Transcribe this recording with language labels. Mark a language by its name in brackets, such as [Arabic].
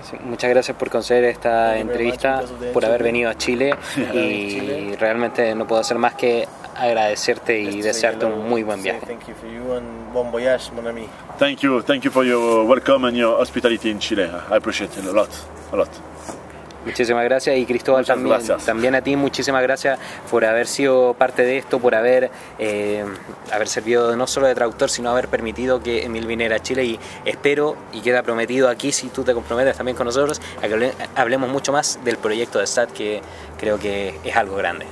[Spanish] Muchas gracias por conceder esta entrevista, por haber venido a Chile. [English] Yeah. [Spanish] Y Chile. Realmente no puedo hacer más que agradecerte y desearte un muy buen viaje. [English] Thank you for you and [French] bon voyage, mon ami. [English] Thank you for your welcome and your hospitality in Chile. I appreciate it a lot. [Spanish] Muchísimas gracias, y Cristóbal, también a ti muchísimas gracias por haber sido parte de esto, por haber servido no solo de traductor, sino haber permitido que Emil viniera a Chile, y espero, y queda prometido aquí, si tú te comprometes también con nosotros, a que hablemos mucho más del proyecto de SAT, que creo que es algo grande.